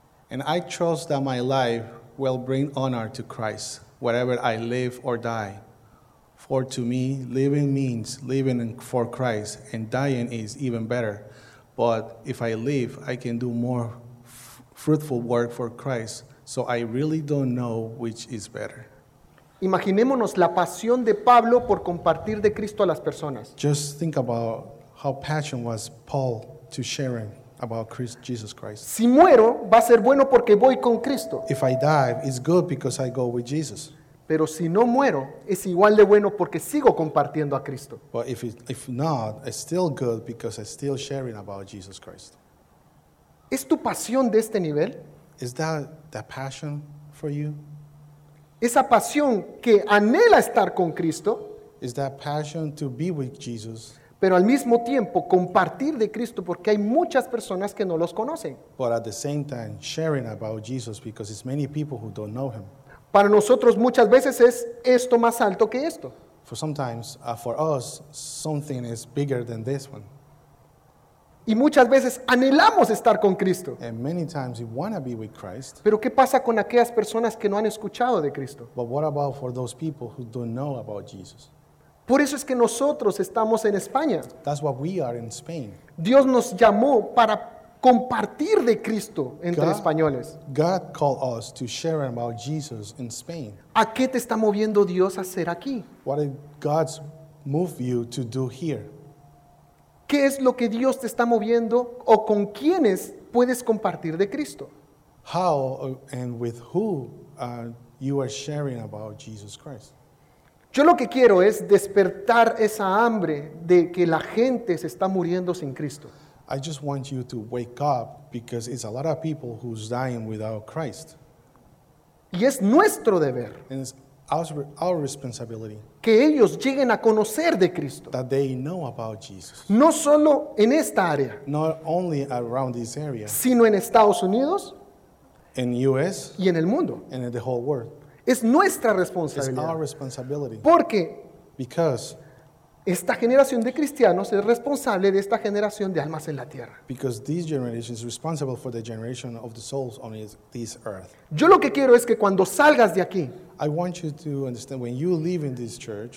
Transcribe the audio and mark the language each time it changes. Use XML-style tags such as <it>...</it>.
<en>And I trust that my life will bring honor to Christ, whatever I live or die. For to me, living means living for Christ, and dying is even better. But if I live, I can do more fruitful work for Christ. So I really don't know which is better.</en> <es>Imaginémonos la pasión de Pablo por compartir de Cristo a las personas.</es> <en>Just think about how passion was Paul to sharing about Christ, Jesus Christ.</en> <es>Si muero, va a ser bueno porque voy con Cristo.</es> <en>If I die, it's good because I go with Jesus.</en> <es>Pero si no muero, es igual de bueno porque sigo compartiendo a Cristo.</es> <en>But if not, it's still good because I'm still sharing about Jesus Christ.</en> <es>¿Es tu pasión de este nivel?</es> <en>Is that the passion for you?</en> <es>Esa pasión que anhela estar con Cristo.</es> <en>Is that passion to be with Jesus.</en> <es>Pero al mismo tiempo compartir de Cristo porque hay muchas personas que no los conocen.</es> <en>But at the same time sharing about Jesus because it's many people who don't know him.</en> <es>Para nosotros muchas veces es esto más alto que esto.</es> <en>For sometimes, for us, something is bigger than this one.</en> <es>Y muchas veces anhelamos estar con Cristo.</es> <en>And many times we want to be with Christ.</en> <es>Pero ¿qué pasa con aquellas personas que no han escuchado de Cristo?</es> <en>But what about for those people who don't know about Jesus?</en> <es>Por eso es que nosotros estamos en España.</es> <en>That's why we are in Spain.</en> <es>Dios nos llamó para compartir de Cristo entre God, españoles.</es> <en>God called us to share about Jesus in Spain.</en> <es>¿A qué te está moviendo Dios a hacer aquí?</es> <en>What did God move you to do here?</en> <es>¿Qué es lo que Dios te está moviendo o con quiénes puedes compartir de Cristo?</es> <en>How and with who you are sharing about Jesus Christ?</en> <es>Yo lo que quiero es despertar esa hambre de que la gente se está muriendo sin Cristo.</es> <en>I just want you to wake up because it's a lot of people who's dying without Christ.</en> <es>Y es nuestro deber.</es> <en>And it's our responsibility.</en> <es>Que ellos lleguen a conocer de Cristo.</es> <en>That they know about Jesus.</en> <es>No solo en esta área.</es> <en>Not only around this area.</en> <es>Sino en Estados Unidos.</es> <en>In US.</en> <es>Y en el mundo.</es> <en>And in the whole world.</en> <es>Es nuestra responsabilidad.</es> <en>It's our responsibility.</en> <es>Porque.</es> <en>Because.</en> <es>Esta generación de cristianos es responsable de esta generación de almas en la tierra.</es> <en>Because this generation is responsible for the generation of the souls on this earth.</en> <es>Yo lo que quiero es que cuando salgas de aquí.</es> <en>I want you to understand when you leave in this church.</en>